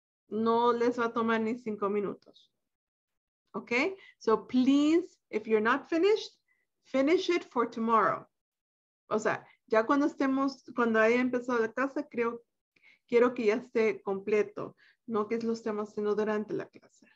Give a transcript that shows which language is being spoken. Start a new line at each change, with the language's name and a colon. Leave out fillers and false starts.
Spanish: No les va a tomar ni cinco minutos. Okay.
English: So please, if you're not finished, finish it for tomorrow.
Spanish: O sea, ya cuando estemos, cuando haya empezado la clase, creo, quiero que ya esté completo. No que lo estemos haciendo durante la clase.